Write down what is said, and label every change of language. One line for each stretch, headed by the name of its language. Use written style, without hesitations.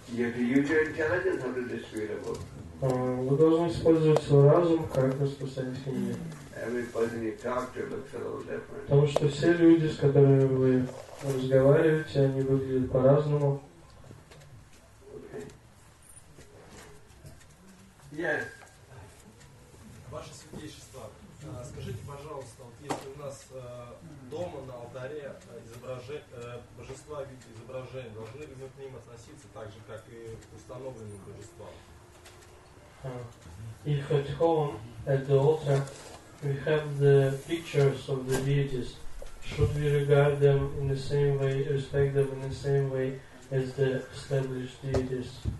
English: You have to use your intelligence how to distribute a book.
Russian: Вы должны использовать свой разум, как распространить книги. Потому что все люди, с которыми вы разговариваете, они выглядят по-разному.
English: Yes.
Russian: Ваше святейшество, скажите, пожалуйста, вот если у нас дома на алтаре божества в виде изображения, должны ли мы к ним относиться так же, как и к установленным божествам?
English: If at home, at the altar, we have the pictures of the deities, should we regard them in the same way, respect them in the same way as the established deities?